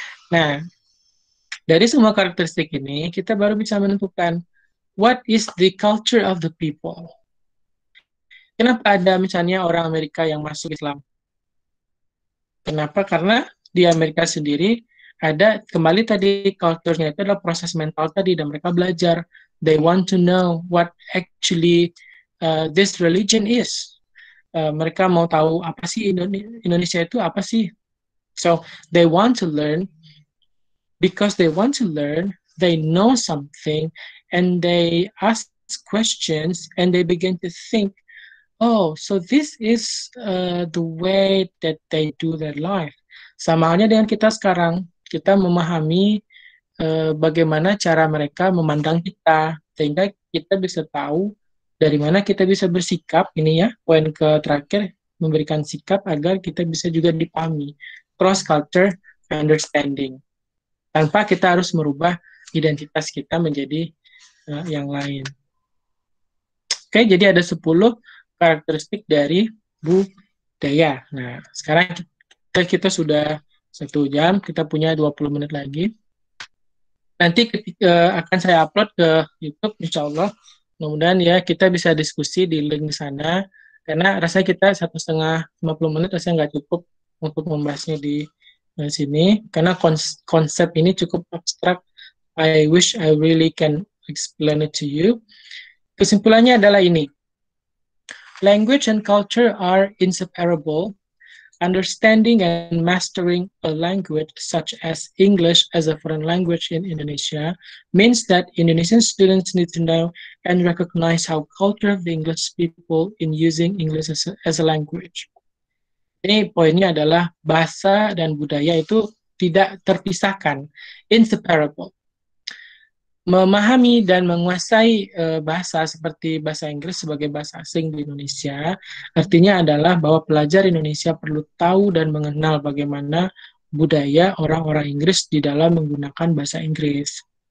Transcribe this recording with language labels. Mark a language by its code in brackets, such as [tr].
[id] Nah, dari semua karakteristik ini, kita baru bisa menentukan [en] what is the culture of the people. [id] Kenapa ada misalnya orang Amerika yang masuk Islam? Kenapa? Karena di Amerika sendiri ada kembali tadi culture-nya itu adalah proses mental tadi dan mereka belajar. [en] They want to know what actually this religion is. [id] mereka mau tahu apa sih Indonesia itu apa sih. [en] So they want to learn because they want to learn, they know something, and they ask questions and they begin to think, oh, so this is the way that they do their life. [id] Sama halnya dengan kita sekarang, kita memahami bagaimana cara mereka memandang kita, sehingga kita bisa tahu dari mana kita bisa bersikap, ini ya, poin ke terakhir, memberikan sikap agar kita bisa juga dipahami, [en] cross-culture understanding, [id] tanpa kita harus merubah identitas kita menjadi yang lain. Oke, jadi ada 10 karakteristik dari budaya. Nah, sekarang kita sudah 1 jam, kita punya 20 menit lagi. Nanti ketika, akan saya upload ke YouTube, insyaallah. Kemudian ya, kita bisa diskusi di link di sana, karena rasanya kita 1,5 menit rasanya nggak cukup untuk membahasnya di sini, karena konsep ini cukup abstrak. [en] I wish I really can explain it to you. [id] Kesimpulannya adalah ini. [en] Language and culture are inseparable. Understanding and mastering a language such as English as a foreign language in Indonesia means that Indonesian students need to know and recognize how culture of the English people in using English as a language. [id] Ini poinnya adalah bahasa dan budaya itu tidak terpisahkan, inseparable. Memahami dan menguasai bahasa seperti bahasa Inggris sebagai bahasa asing di Indonesia artinya adalah bahwa pelajar Indonesia perlu tahu dan mengenal bagaimana budaya orang-orang Inggris di dalam menggunakan bahasa Inggris.